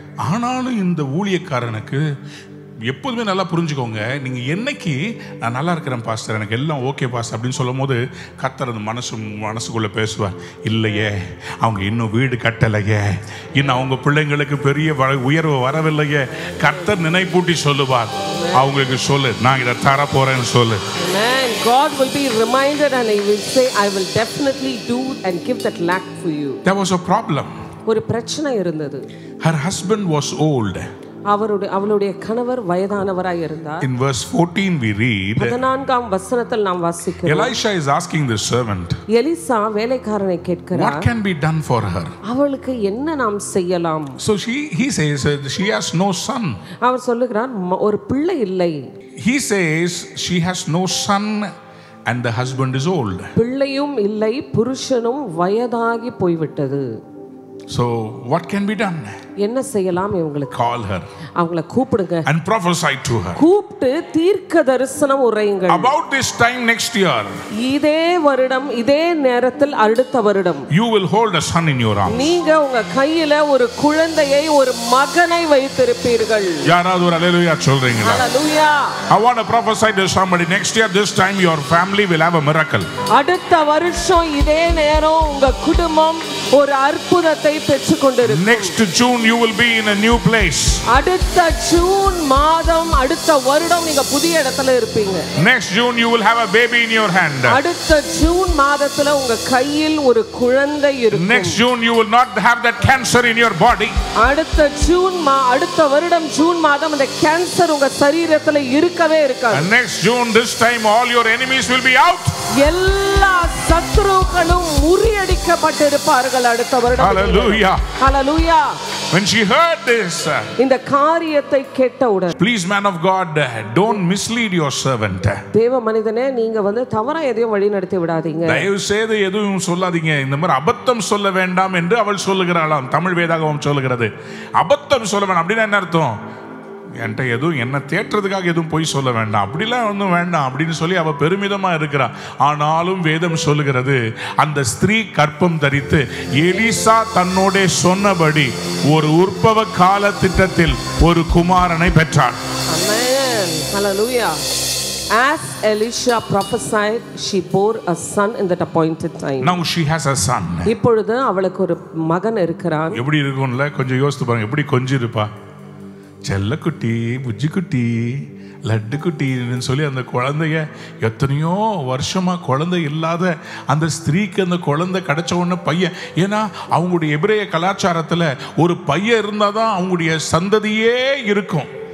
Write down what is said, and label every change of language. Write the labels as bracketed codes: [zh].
[ta] ஆனாலும் இந்த ஊழியக்காரனுக்கு எப்போதுமே நல்லா புரிஞ்சுக்கோங்க, நீங்க என்னைக்கு நான் நல்லா இருக்கிறேன் பாஸ்டர், எனக்கு எல்லாம் ஓகே பாஸ்டர் அப்படின்னு சொல்லும் போது கத்தர் அந்த மனசுக்குள்ள பேசுவார், இல்லையே அவங்க இன்னும் வீடு கட்டலையே, இன்னும் அவங்க பிள்ளைங்களுக்கு பெரிய உயர்வு வரவில்லையே. கத்தர் நினைப்பூட்டி சொல்லுவார், அவங்களுக்கு சொல்லு நான் இதை தர போறேன்னு சொல்லு. [en] God will be reminded and he will say, I will definitely do and give that lack for you. There was a problem. [ta] ஒரு பிரச்சனை இருந்தது. [en] Her husband was old. [ta] அவளுடைய கணவர் வயதானவராய் இருந்தார். [en] In verse 14 we read. [ta] 14th வசனத்தில் நாம் வாசிக்கிறோம். [en] Elisha is asking the servant. [ta] Elisha வேலைக்காரனை கேட்கிறார். [en] What can be done for her? [ta] அவளுக்கு என்ன நாம் செய்யலாம்? [en] So he says she has no son. [ta] அவர் சொல்கிறார், ஒரு பிள்ளை இல்லை. [en] He says she has no son and the husband is old. [ta] பிள்ளையும் இல்லை, புருஷனும் வயதாகி போய் விட்டது. [en] So what can be done? [ta] என்ன செய்யலாம்? இவங்களுக்கு [en] call her, [ta] அவங்களை கூப்பிடுங்க. [en] And prophesy to her. [ta] கூப்பிட்டு தீர்க்க தரிசனம் உரையுங்க. [en] About this time next year. [ta] இதே வருடம், இதே நேரத்தில் அடுத்த வருடம். [en] You will hold a son in your arms. [ta] நீங்க உங்க கையில ஒரு குழந்தையை, ஒரு மகனை வைத்திருப்பீர்கள். யாராவது ஒரு அல்லேலூயா சொல்றீங்களா? அல்லேலூயா. [en] I want to prophesy to somebody, next year this time your family will have a miracle. [ta] அடுத்த வருஷம் இதே நேரம் உங்க குடும்பம் ஒரு அற்புதத்தை பெற்றுக் கொண்டிருக்கும். [en] Next June you will be in a new place. [ta] அடுத்த ஜூன் மாதம் அடுத்த வருடம் நீங்க புதிய இடத்துல இருப்பீங்க. [en] Next June you will have a baby in your hand. [ta] அடுத்த ஜூன் மாதத்துல உங்க கையில் ஒரு குழந்தை இருக்கும். [en] Next June you will not have that cancer in your body. [ta] அடுத்த ஜூன் அடுத்த வருடம் ஜூன் மாதம் அந்த கேன்சர் உங்க சரீரத்துல இருக்கவே இருக்காது. [en] And next June this time all your enemies will be out. [ta] எல்லா சத்துருக்களும் முறியடிக்கப்பட்டிருப்பார்கள் அடுத்த வருடம். [en] Hallelujah. Hallelujah. When she heard this, [ta] இந்த காரியத்தை கேட்டவுடன், [en] Please man of God, don't mislead your servant. [ta] தேவ மனிதனே, நீங்க வந்து தவறா எதையும் வழிநடத்தி விடாதீங்க. தயவு செய்து எதுவும் சொல்லாதீங்க. இந்த மாதிரி அபத்தம் சொல்ல வேண்டாம் என்று அவள் சொல்லுகிறாளாம். தமிழ் வேதாகமம் சொல்லுகிறது, அபத்தம் சொல்ல வேண்டாம். அப்படின்னு என்ன அர்த்தம்? என்கிட்ட எதுவும் என்ன தேற்றதுக்காக எதுவும் போய் சொல்ல வேண்டாம், அப்படிலாம் ஒன்றும் வேண்டாம் அப்படின்னு சொல்லி அவள் பெருமிதமாக இருக்கிறாள். ஆனாலும் வேதம் சொல்லுகிறது, அந்த ஸ்திரீ கற்பம் தரித்து எலிசா தன்னோட சொன்னபடி ஒரு உற்பவ கால திட்டத்தில் ஒரு குமாரனை பெற்றாள். [en] As Elisha prophesied, she bore a son in that appointed time. Now she has a son. [ta] இப்பொழுது அவளுக்கு ஒரு மகன் இருக்கிறான். எப்படி இருக்கும்ல, கொஞ்சம் யோசித்து பாருங்க, எப்படி கொஞ்சிருப்பா, செல்லக்குட்டி, புஜ்ஜிக்குட்டி, லட்டுக்குட்டின்னு சொல்லி அந்த குழந்தைய, எத்தனையோ வருஷமாக குழந்தை இல்லாத அந்த ஸ்திரீக்கு அந்த குழந்தை கிடச்ச உடனே பையன், ஏன்னா அவங்களுடைய எபிரேய கலாச்சாரத்தில் ஒரு பையன் இருந்தால் தான் அவங்களுடைய சந்ததியே இருக்கும்.